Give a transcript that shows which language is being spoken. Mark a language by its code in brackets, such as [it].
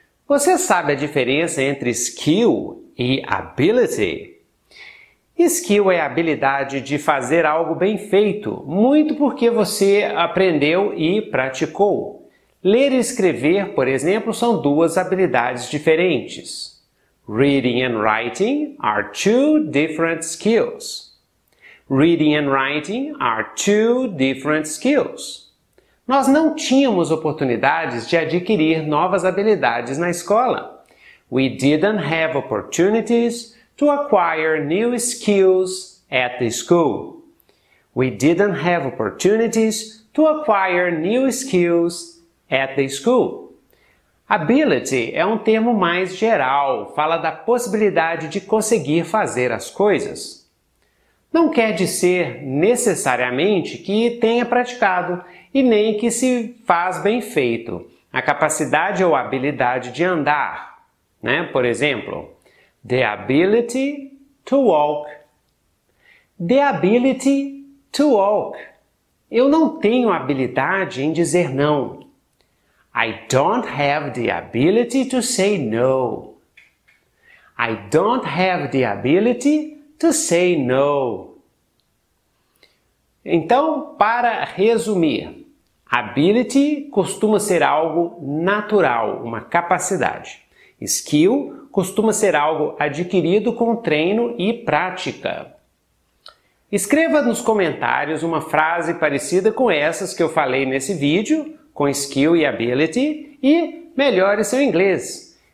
[pt] Você sabe a diferença entre skill e ability? Skill é a habilidade de fazer algo bem feito, muito porque você aprendeu e praticou. Ler e escrever, por exemplo, são duas habilidades diferentes. [en] Reading and writing are two different skills. Reading and writing are two different skills. [pt] Nós não tínhamos oportunidades de adquirir novas habilidades na escola. [en] We didn't have opportunities to acquire new skills at the school. We didn't have opportunities to acquire new skills at the school. [pt] Ability é um termo mais geral, fala da possibilidade de conseguir fazer as coisas. Não quer dizer necessariamente que tenha praticado e nem que se faz bem feito. A capacidade ou habilidade de andar, né? Por exemplo, [en] the ability to walk. The ability to walk. [pt] Eu não tenho habilidade em dizer não. [en] I don't have the ability to say no. I don't have the ability to say no. [pt] Então, para resumir, ability costuma ser algo natural, uma capacidade. Skill costuma ser algo adquirido com treino e prática. Escreva nos comentários uma frase parecida com essas que eu falei nesse vídeo, com skill e ability, e melhore seu inglês.